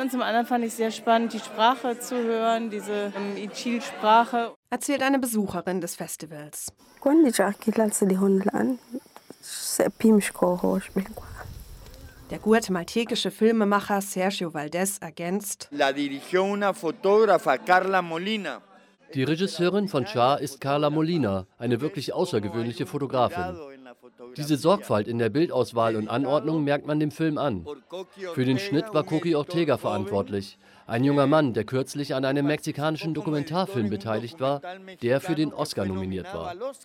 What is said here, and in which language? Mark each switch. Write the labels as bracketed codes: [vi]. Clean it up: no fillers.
[de] Und zum anderen fand ich es sehr spannend, die Sprache zu hören, diese Ichil-Sprache. Erzählt eine Besucherin des Festivals. Der guatemaltekische Filmemacher Sergio Valdez ergänzt: [es] La dirigió una fotógrafa, Carla Molina. [de] Die Regisseurin von Cha ist Carla Molina, eine wirklich außergewöhnliche Fotografin. Diese Sorgfalt in der Bildauswahl und Anordnung merkt man dem Film an. Für den Schnitt war Coqui Ortega verantwortlich, ein junger Mann, der kürzlich an einem mexikanischen Dokumentarfilm beteiligt war, der für den Oscar nominiert war.